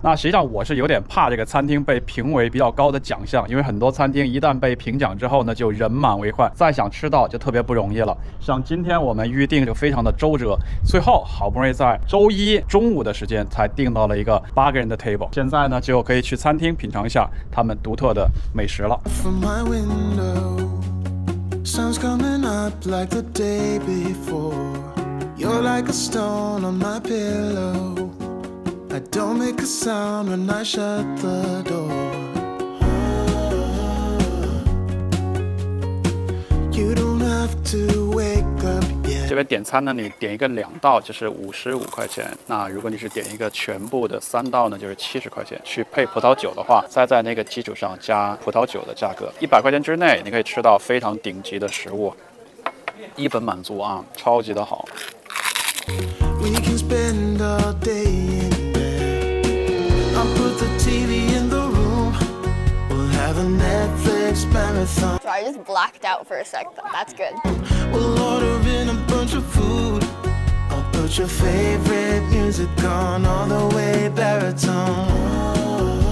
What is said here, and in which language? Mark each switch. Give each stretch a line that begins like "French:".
Chinese: 那实际上我是有点怕这个餐厅被评为比较高的奖项，因为很多餐厅一旦被评奖之后呢，就人满为患，再想吃到就特别不容易了。像今天我们预定就非常的周折，最后好不容易在周一中午的时间才订到了一个8个人的 table。现在呢，就可以去餐厅品尝一下他们独特的美食了。
English: From my window. Sun's coming up like the day before. You're like a stone on my pillow. I don't make a sound when I shut the door. You don't have to wake up.
Chinese: 这边点餐呢，你点一个2道就是55块钱，那如果你是点一个全部的3道呢，就是70块钱。去配葡萄酒的话，再在那个基础上加葡萄酒的价格，100块钱之内你可以吃到非常顶级的食物，一本满足啊，超级的好。
English: We can spend all day in bed. I'll put the TV in the room. We'll have a Netflix marathon. So I just blacked out for a sec, but that's good. We'll order in a bunch of food. I'll put your favorite music on all the way baritone.